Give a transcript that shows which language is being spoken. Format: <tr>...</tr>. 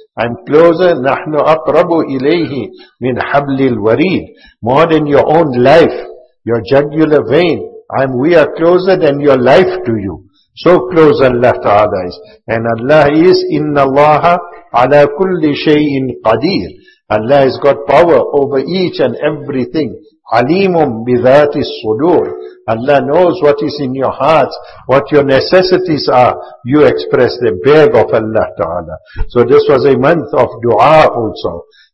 <en>I'm closer,</en> <ar>نَحْنُ أَقْرَبُ إِلَيْهِ مِنْ حَبْلِ الْوَرِيدِ.</ar> <en>More than your own life, your jugular vein. We are closer than your life to you. So close Allah Ta'ala is. And Allah is,</en> <ar>إِنَّ اللَّهَ عَلَى كُلِّ شَيْءٍ قَدِيرٍ.</ar> <en>Allah has got power over each and everything.</en> <ar>Alimum bidhati sudur.</ar> <en>Allah knows what is in your hearts, what your necessities are. You express the beg of Allah Ta'ala. So this was a month of dua also.</en>